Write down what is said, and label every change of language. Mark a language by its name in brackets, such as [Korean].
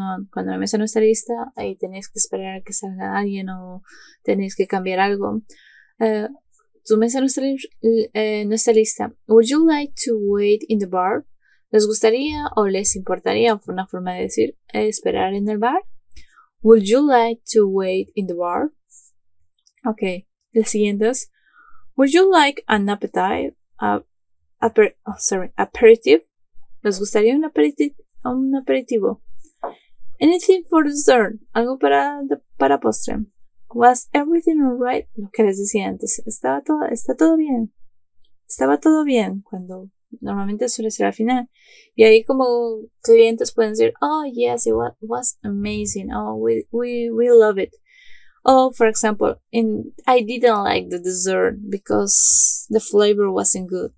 [Spanish] Cuando la mesa no está lista, ahí tenéis que esperar a que salga alguien o tenéis que cambiar algo. Tu mesa no está lista. [English] Would you like to wait in the bar? [Spanish] ¿Les gustaría o les importaría? Fue una forma de decir esperar en el bar. [English] Would you like to wait in the bar? Ok. [Spanish] La siguiente es. [English] Would you like an appetite? [Spanish] Aperitif. ¿Les gustaría un aperitivo? [English] Anything for dessert. [Spanish] Algo para postre. [English] Was everything alright? [Spanish] Lo que les decía antes. Está todo bien. Estaba todo bien. Cuando normalmente suele ser al final. Y ahí como clientes pueden decir, [English] oh yes, it was amazing. Oh, we love it. Oh, for example, I didn't like the dessert because the flavor wasn't good.